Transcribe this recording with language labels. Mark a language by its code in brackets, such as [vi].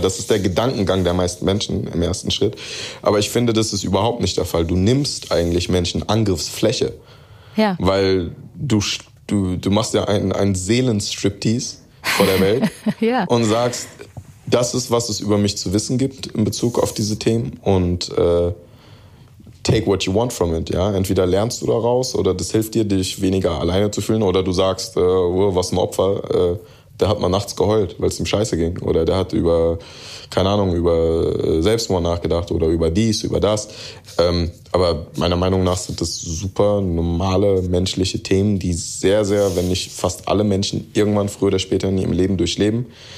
[de] Das ist der Gedankengang der meisten Menschen im ersten Schritt. Aber ich finde, das ist überhaupt nicht der Fall. Du nimmst eigentlich Menschen Angriffsfläche. Ja. Weil du machst ja einen Seelenstriptease vor der Welt ja. und sagst, das ist, was es über mich zu wissen gibt in Bezug auf diese Themen. [en] Und take what you want from it, ja. [de] Entweder lernst du daraus oder das hilft dir, dich weniger alleine zu fühlen. Oder du sagst, was ein Opfer, der hat mal nachts geheult, weil es ihm scheiße ging. Oder der hat über, keine Ahnung, über Selbstmord nachgedacht oder über dies, über das. Aber meiner Meinung nach sind das super normale menschliche Themen, die sehr, sehr, wenn nicht fast alle Menschen irgendwann früher oder später in ihrem Leben durchleben.